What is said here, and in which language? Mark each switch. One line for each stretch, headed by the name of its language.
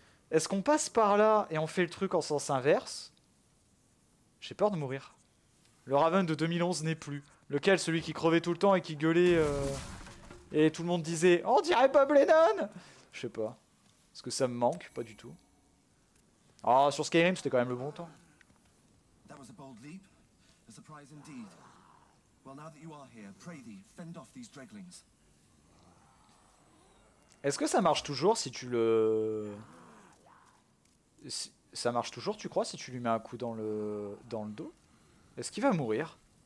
French: Est-ce qu'on passe par là et on fait le truc en sens inverse? J'ai peur de mourir. Le Raven de 2011 n'est plus. Lequel? Celui qui crevait tout le temps et qui gueulait et tout le monde disait « On dirait Bob Lennon !» Je sais pas. Est-ce que ça me manque? Pas du tout. Ah, sur Skyrim, c'était quand même le bon temps.
English: That was a bold leap. A surprise indeed. Well, now that you are here, pray thee, fend off these dreglings.
French: Est-ce que ça marche toujours si tu le... Si... Ça marche toujours, tu crois, si tu lui mets un coup dans le dos? Est-ce qu'il va mourir?